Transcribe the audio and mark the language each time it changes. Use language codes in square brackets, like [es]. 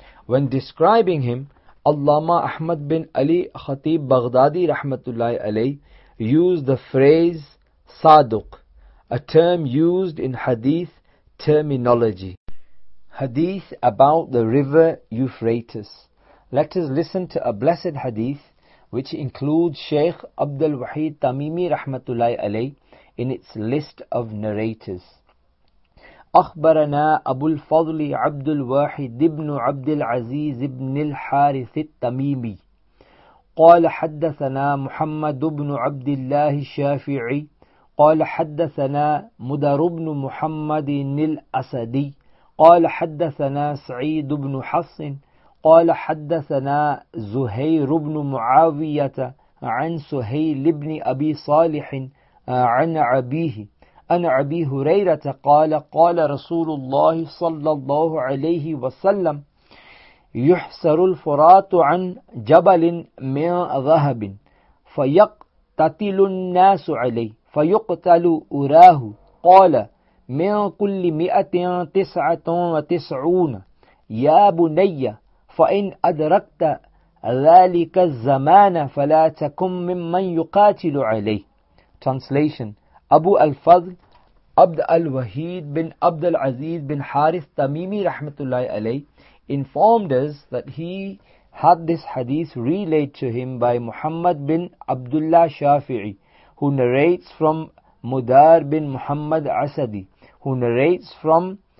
[en] When describing him, Allama Ahmad bin Ali Khatib Baghdadi rahmatullahi alayhi used the phrase saduq, a term used in hadith terminology. Hadith about the river Euphrates. Let us listen to a blessed hadith which includes Shaykh Abdul Wahid Tamimi rahmatullahi alayhi in its list of narrators. [ar] أخبرنا أبو الفضل عبد الواحد ابن عبد العزيز ابن الحارث التميمي قال حدثنا محمد بن عبد الله الشافعي قال حدثنا مدر بن محمد الأسدي قال حدثنا سعيد بن حصن قال حدثنا زهير بن معاوية عن سهيل بن أبي صالح عن أبيه أن أبي هريرة قال قال رسول الله صلى الله عليه وسلم يحسر الفرات عن جبل من ذهب فيقتتل الناس عليه فيقتل أراه قال من كل 199 يا بني فإن أدركت ذلك الزمان فلا تكن ممن يقاتل عليه. [en] Translation: Abu al-Fadl Abd al-Wahid bin Abd al-Aziz bin Harith Tamimi rahmatullahi alayh informed us that he had this hadith relayed to him by Muhammad bin Abdullah Shafi'i, who narrates from Mudar bin Muhammad Asadi, who narrates from